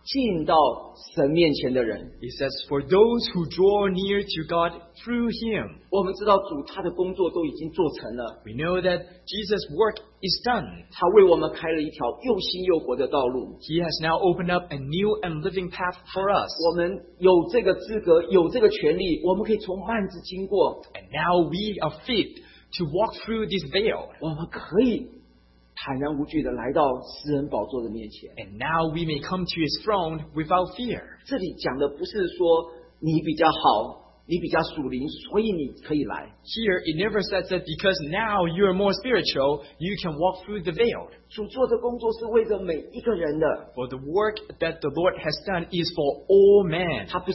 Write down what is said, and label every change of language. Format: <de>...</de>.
<zh>他说，凡靠着他进到神面前的人，</zh> <en>He says, for those who draw near to God through Him.</en> <zh>我们知道主他的工作都已经做成了。</zh> <en>We know that Jesus' work is done.</en> <zh>他为我们开了一条又新又活的道路。</zh> <en>He has now opened up a new and living path for us.</en> <zh>我们有这个资格，有这个权利，我们可以从幔子经过。</zh> <en>And now we are fit to walk through this veil.</en> <zh>我们可以坦然无惧地来到诗人宝座的面前。</zh> <en>And now we may come to His throne without fear.</en> <zh>这里讲的不是说你比较好。你比较属灵，所以你可以来。</zh> <en>Here it never says that because now you are more spiritual, you can walk through the veil.</en> <zh>主做的工作是为着每一个人的。</zh> <en>For the work that the Lord has done is for all men.</en>